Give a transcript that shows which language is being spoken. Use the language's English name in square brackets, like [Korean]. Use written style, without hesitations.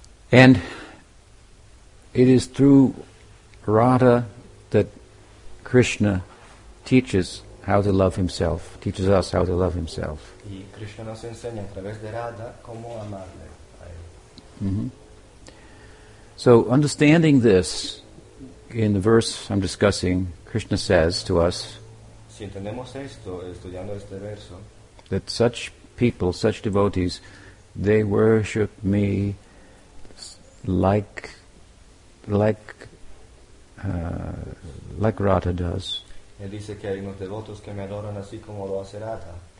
[English] And it is through Radha that Krishna teaches how to love himself, teaches us how to love himself. [Spanish] Y Krishna nos enseña a través de Radha cómo amarle a él. [English] So understanding this, in the verse I'm discussing, Krishna says to us, [Spanish] si entendemos esto, estudiando este verso, [English] that such people, such devotees, they worship me like Radha does. [Spanish] Él dice que hay unos devotos que me adoran así como lo hace Radha.